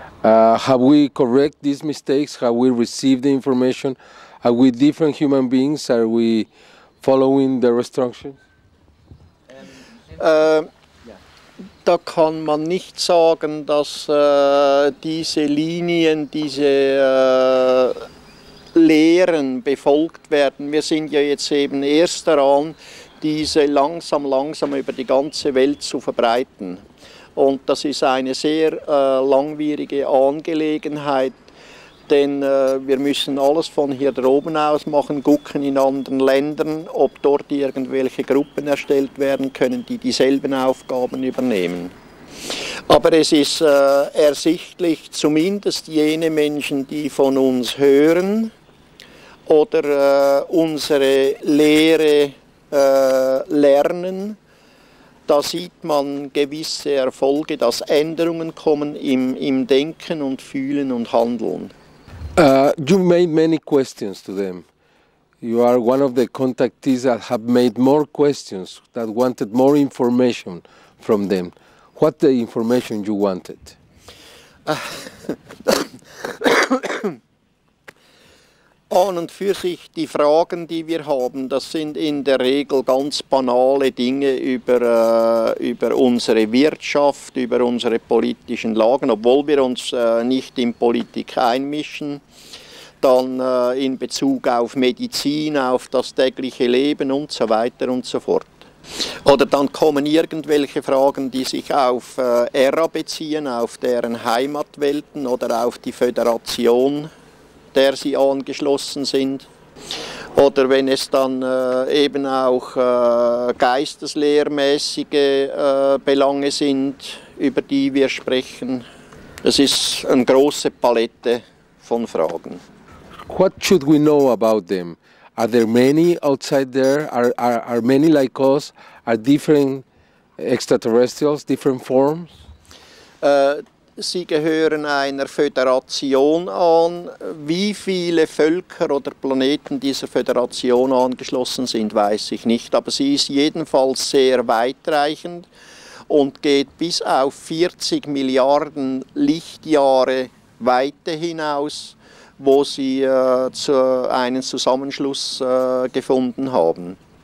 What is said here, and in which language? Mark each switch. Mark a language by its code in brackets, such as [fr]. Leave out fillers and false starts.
[en] Have we correct these mistakes? Have we received the information? Are we different human beings? Are we following the instructions? [de] Da kann man nicht sagen, dass diese Linien, diese Lehren befolgt werden. Wir sind ja jetzt eben erst daran, diese langsam über die ganze Welt zu verbreiten. Und das ist eine sehr langwierige Angelegenheit. denn wir müssen alles von hier oben aus machen, gucken in anderen Ländern, ob dort irgendwelche Gruppen erstellt werden können, die dieselben Aufgaben übernehmen. Aber es ist ersichtlich, zumindest jene Menschen, die von uns hören oder unsere Lehre lernen, da sieht man gewisse Erfolge, dass Änderungen kommen im Denken und Fühlen und Handeln. [en] You made many questions to them. You are one of the contactees that have made more questions, that wanted more information from them. What the information you wanted? [de] An und für sich, die Fragen, die wir haben, das sind in der Regel ganz banale Dinge über unsere Wirtschaft, über unsere politischen Lagen, obwohl wir uns nicht in Politik einmischen. Dann in Bezug auf Medizin, auf das tägliche Leben und so weiter und so fort. Oder dann kommen irgendwelche Fragen, die sich auf ERA beziehen, auf deren Heimatwelten oder auf die Föderation, der sie angeschlossen sind. Oder wenn es dann eben auch geisteslehrmäßige Belange sind, über die wir sprechen. Es ist eine große Palette von Fragen. [en] What should we know about them? Are there many outside there? Are many like us? Are different extraterrestrials, different forms? [de] Sie gehören einer Föderation an. Wie viele Völker oder Planeten dieser Föderation angeschlossen sind, weiß ich nicht. Aber sie ist jedenfalls sehr weitreichend und geht bis auf 40 Milliarden Lichtjahre Weite hinaus, wo sie einen Zusammenschluss gefunden haben.